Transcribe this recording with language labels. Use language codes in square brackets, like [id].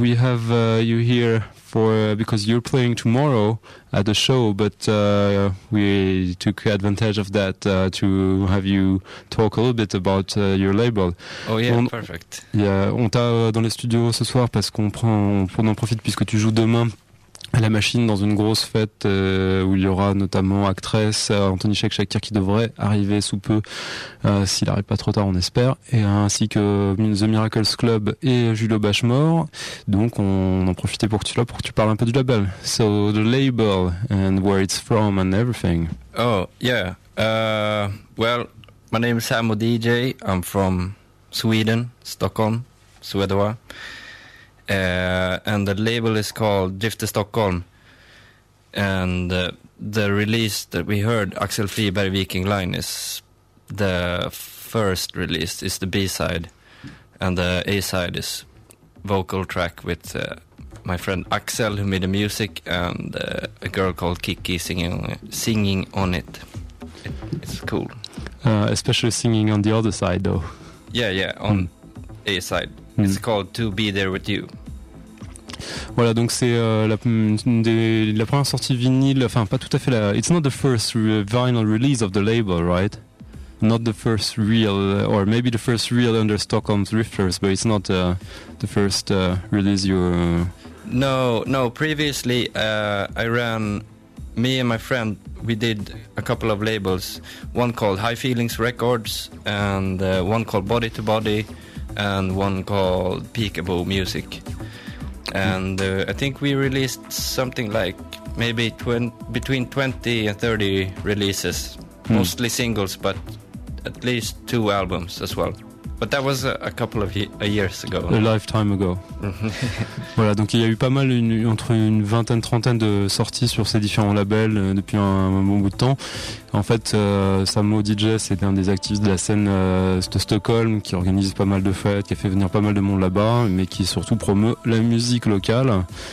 [en] We have you here for because you're playing tomorrow at the show, but we took advantage of that to have you talk a little bit about your label. Oh yeah, perfect. [fr] Yeah, on t'a dans les studios ce soir parce qu'on en profite puisque tu joues demain à la machine dans une grosse fête où il y aura notamment Actress, Anthony Shek Shakir qui devrait arriver sous peu s'il arrive pas trop tard on espère, et ainsi que The Miracles Club et Julio Bashmore. Donc on en profitait pour que tu sois là, pour que tu parles un peu du label. [en] So the label and where it's from and everything. Oh yeah, well my name is Sam Odije, I'm from Sweden, Stockholm, Suedois. And the label is called Drifter Stockholm, and the release that we heard, Axel Friberg Viking Line, is the first release, is the B-side, and the A-side is vocal track with my friend Axel, who made the music, and a girl called Kiki singing on it. It's cool. Especially singing on the other side, though. Yeah, on A-side. Mm. It's called To Be There With You. [fr] Voilà, donc c'est la première sortie vinyle, enfin pas tout à fait la... [en] It's not the first vinyl release of the label, right? Not the first real, or maybe the first real under Stockholm Drifters, but it's not the first release you're... No, previously I ran, me and my friend, we did a couple of labels, one called High Feelings Records, and one called Body to Body, and one called Peekaboo Music. And I think we released something like maybe between 20 and 30 releases, mostly singles, but at least two albums as well. But that was a couple of years ago. A lifetime ago. [fr] Voilà, donc il y a eu pas mal, entre une vingtaine, trentaine de sorties sur ces différents labels depuis un bon bout de temps. En fait, Samo DJ, c'est un des activistes de la scène de Stockholm qui organise pas mal de fêtes, qui a fait venir pas mal de monde là-bas, mais qui surtout promeut la musique locale.